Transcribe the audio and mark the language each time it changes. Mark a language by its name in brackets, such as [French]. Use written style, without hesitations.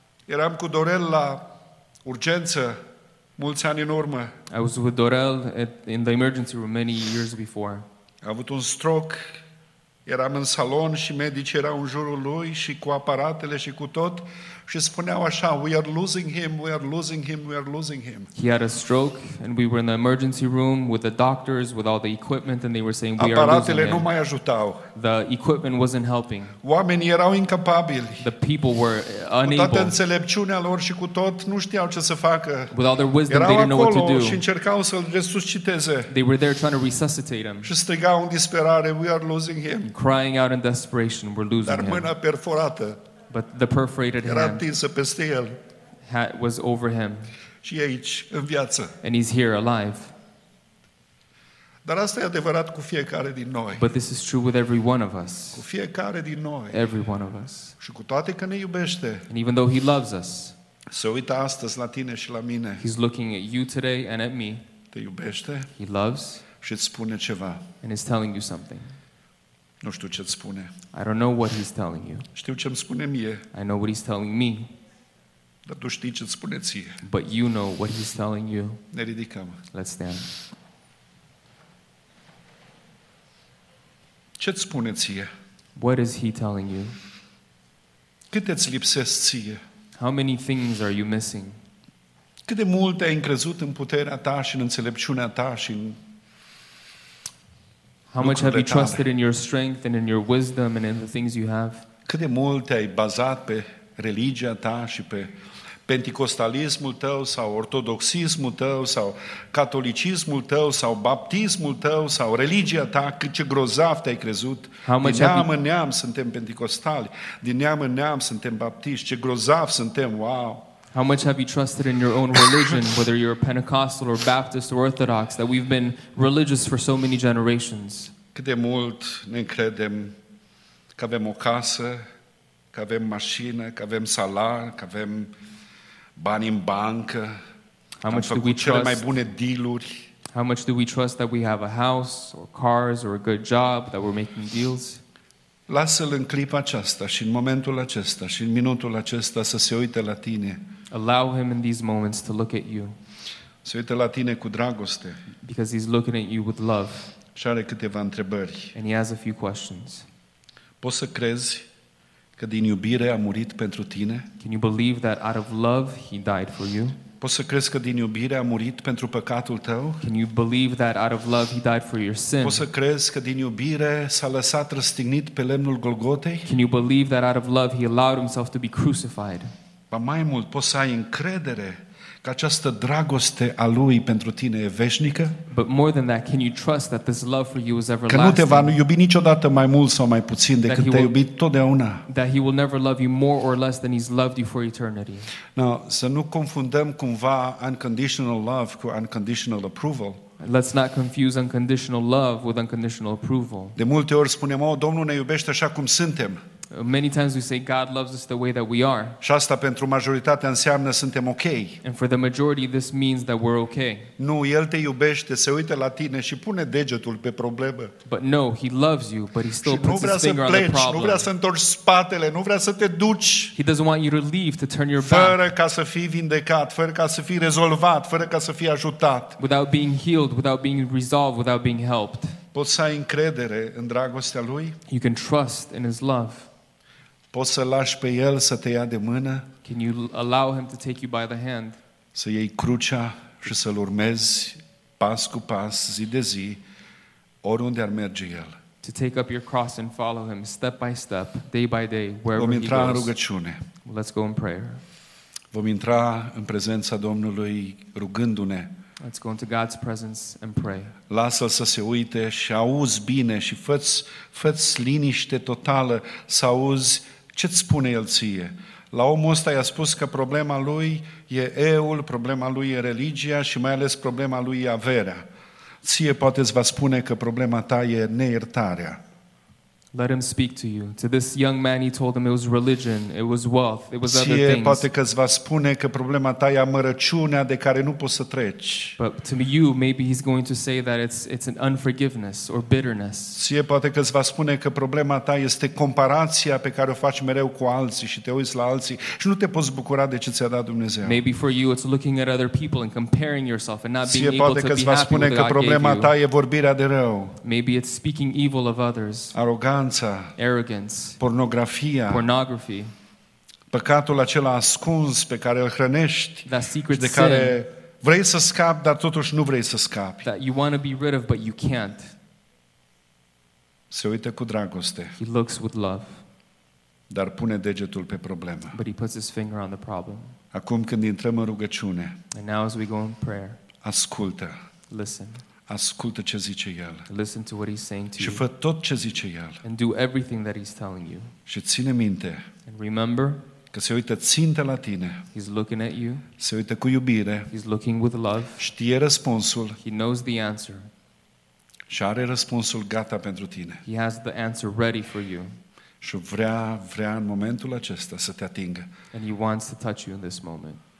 [Romanian] Eram cu Dorel la urgență. Mulți ani în urmă. [English] I was with Dorel in the emergency room many years before. [Romanian] A avut un stroke. Eram în salon și medicii erau în jurul lui și cu aparatele și cu tot și spuneau așa, [English] we are losing him, [Romanian] we are losing him, we are losing him. [English] He had a stroke and we were in the emergency room with the doctors, with all the equipment and they were saying we are losing him. [Romanian] Aparatele nu mai ajutau. [English] The equipment wasn't helping. [Romanian] Oamenii erau incapabili. [English] The people were unable. [Romanian] Cu toată înțelepciunea lor și cu tot, nu știau ce să facă. [English] With all their wisdom, [Romanian] erau [English] they didn't know what to do. [Romanian] Erau acolo și încercau să-l resusciteze. [English] They were there trying to resuscitate him. [Romanian] Și strigau în disperare, [English] we are losing him. Crying out in desperation, we're losing [Romanian] dar mâna perforată [English] him. But the perforated [Romanian] era tinsă peste el. [English] Hand was over him. [Romanian] Și aici, în viață. [English] And he's here alive. [Romanian] Dar asta e adevărat cu fiecare din noi. [English] But this is true with every one of us. [Romanian] Cu fiecare din noi. [English] Every one of us. [Romanian] Și cu toate că ne iubește. [English] And even though he loves us. [Romanian] Se uită astăzi la tine și la mine. [English] He's looking at you today and at me. [Romanian] Te iubește. [English] He loves. [Romanian] Și îți spune ceva. [English] And he's telling you something. [Romanian] Nu știu ce îți spune. [English] I don't know what he's telling you. [Romanian] Știu ce îmi spune mie. [English] I know what he's telling me. [Romanian] Dar tu știi ce îți spune ție. [English] But you know what he's telling you. [Romanian] Ne ridicăm. [English] Let's stand. [Romanian] Ce îți spune ție? [English] What is he telling you? [Romanian] Câte îți lipsesc ție? [English] How many things are you missing? [Romanian] Cât de mult ai încrezut în puterea ta și în înțelepciunea ta și în [English] How much have you trusted in your strength and in your wisdom and in the things you have? [Romanian] Cât de mult ai bazat pe religia ta și pe penticostalismul tău sau ortodoxismul tău sau catolicismul tău sau baptismul tău sau religia ta, cât ce grozav te-ai crezut. Din neam în neam suntem penticostali, din neam în neam suntem baptiști, ce grozav suntem, wow! [English] How much have you trusted in your own religion, whether you're a Pentecostal or Baptist or Orthodox, that we've been religious for so many generations? [Romanian] Cât de mult ne credem că avem o casă, că avem mașină, că avem salar, că avem bani în bancă, [English] how much [Romanian] am făcut [English] do we [Romanian] cele [English] trust, [Romanian] mai bune deal-uri. [English] How much do we trust that we have a house or cars or a good job, that we're making deals? [Romanian] Lasă-l în clipa aceasta și în momentul acesta și în minutul acesta să se uite la tine. [English] Allow him in these moments to look at you. [Romanian] Se uită la tine cu dragoste. [English] Because he's looking at you with love. [Romanian] Și are câteva întrebări. [English] And he has a few questions. [Romanian] Poți să crezi că din iubire a murit pentru tine? [English] Can you believe that out of love he died for you? [Romanian] Poți să crezi că din iubire a murit pentru păcatul tău? [English] Can you believe that out of love he died for your sin? [Romanian] Poți să crezi că din iubire s-a lăsat răstignit pe lemnul Golgotei? [English] Can you believe that out of love he allowed himself to be crucified? [Romanian] Ba mai mult, poți să ai încredere că această dragoste a lui pentru tine e veșnică? [English] But more than that, can you trust that this love for you is everlasting? [Romanian] Că nu te va iubi niciodată mai mult sau mai puțin decât te-a iubit totdeauna. [English] That he will never love you more or less than he's loved you for eternity. Now, [Romanian] să nu confundăm cumva [English] unconditional love [Romanian] cu [English] unconditional approval. Let's not confuse unconditional love with unconditional approval. [Romanian] De multe ori spunem, oh, Domnul ne iubește așa cum suntem. [English] Many times we say God loves us the way that we are. [Romanian] Și asta pentru majoritatea înseamnă suntem okay. [English] And for the majority this means that we're okay. [Romanian] Nu, el te iubește, se uită la tine și pune degetul pe problemă. [English] But no, he loves you, but he still puts his finger [Romanian] pleci, [English] on the problem. [Romanian] Nu vrea să întorci spatele, nu vrea să te duci. [English] He doesn't want you to leave, to turn your [Romanian] fără [English] back. [Romanian] Fără ca să fii vindecat, fără ca să fii rezolvat, fără ca să fii ajutat. [English] Without being healed, without being resolved, without being helped. [Romanian] Poți să ai încredere în dragostea lui? [English] You can trust in his love. [Romanian] Poți să lași pe el să te ia de mână? [English] Can you allow him to take you by the hand? [Romanian] Să iei crucea și să-l urmezi pas cu pas, zi de zi, oriunde ar merge el. [English] To take up your cross and follow him step by step, day by day, wherever he goes. [Romanian] Vom intra în rugăciune. [English] Let's go in prayer. [Romanian] Vom intra în prezența Domnului rugându-ne. [English] Let's go into God's presence and pray. [Romanian] Lasă-l să se uite și auzi bine și fă-ți liniște totală să auzi ce-ți spune el ție. La omul ăsta i-a spus că problema lui e euul, problema lui e religia și mai ales problema lui e averea. Ție poate îți va spune că problema ta e neiertarea. [English] Let him speak to you. To this young man, he told him it was religion, it was wealth, it was other things. [Romanian] Ție poate că îți va spune că problema ta e amărăciunea de care nu poți să treci. [English] But to you, maybe he's going to say that it's an unforgiveness or bitterness. [Romanian] Ție poate că îți va spune că problema ta este comparația pe care o faci mereu cu alții și te uiți la alții și nu te poți bucura de ce ți-a dat Dumnezeu. [English] Maybe for you, it's looking at other people and comparing yourself and not being able to be happy with what God gave you. [Romanian] Ție poate că îți va spune că problema ta e vorbirea de rău. [English] Maybe it's speaking evil of others. Arrogance, [Romanian] pornografia, [English] pornography, [Romanian] păcatul acela ascuns pe care îl hrănești, [English] that secret sin, [Romanian] de care vrei să scapi, dar totuși nu vrei să scapi. [English] That you want to be rid of, but you can't. [Romanian] Se uită cu dragoste. [English] He looks with love. [Romanian] Dar pune degetul pe problemă. [English] But he puts his finger on the problem. [Romanian] Acum când intrăm în rugăciune, [English] and now as we go in prayer, [Romanian] ascultă. [English] Listen. [Romanian] Ascultă ce zice el. [English] Listen to what he's saying to you. [Romanian] Și fă tot ce zice el. [English] And do everything that he's telling you. [Romanian] Și ține minte. [English] And remember. [Romanian] Că se uită țintă la tine. [English] He's looking at you. [Romanian] Se uită cu iubire. [English] He's looking with love. [Romanian] Știe răspunsul. [English] He knows the answer. [Romanian] Și are răspunsul gata pentru tine. [English] He has the answer ready for you. [Romanian] Și vrea în momentul acesta să te atingă. [English] And he wants to touch you in this moment.